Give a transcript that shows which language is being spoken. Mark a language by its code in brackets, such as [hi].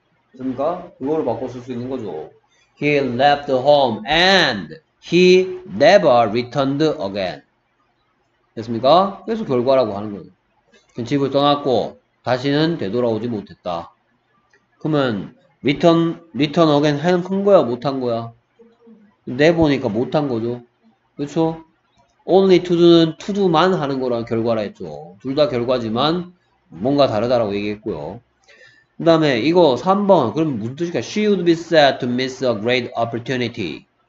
[ko] 그러니까 그거를 바꿔 쓸 수 있는 거죠. [en] He left home and he never returned again. [ko] 됐습니까? 그래서 결과라고 하는 거예요. 그 집을 떠났고 다시는 되돌아오지 못했다. 그러면 [en] return again [ko] 한 거야 못한 거야? 내보니까 못한 거죠. 그렇죠? [en] Only to do [ko] 는 to do만 하는 거랑 결과라 했죠. 둘 다 결과지만 뭔가 다르다라고 얘기했고요. 그 다음에 이거 3번 그럼 무슨 뜻일까? [en] She would be sad to miss a great opportunity.